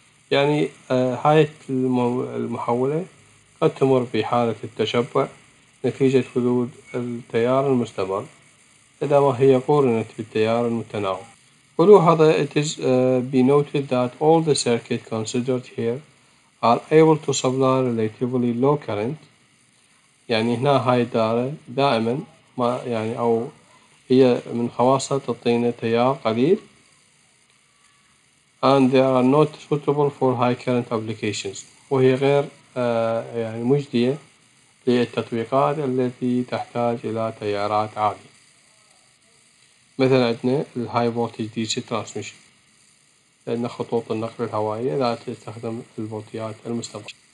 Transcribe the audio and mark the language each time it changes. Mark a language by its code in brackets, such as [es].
[ar] يعني هاي المحولة قد تمر بحالة التشبع نتيجة وجود التيار المستمر إذا ما هي مقارنة بالتيار المتناوب. ولو هذا [en] it is be noted that all the circuit considered here are able to supply relatively low current. [ar] يعني هنا هاي الدائرة دائما ما يعني أو هي من خواصها تعطينا تيار قليل. [en] And they are not suitable for high current applications. [ar] وهي غير يعني مجدية للتطبيقات التي تحتاج إلى تيارات عالية. مثلا عندنا الهاي فولتج دي سي ترانسميشن، لأن خطوط النقل الهوائية لا تستخدم الفولتيات المستمرة.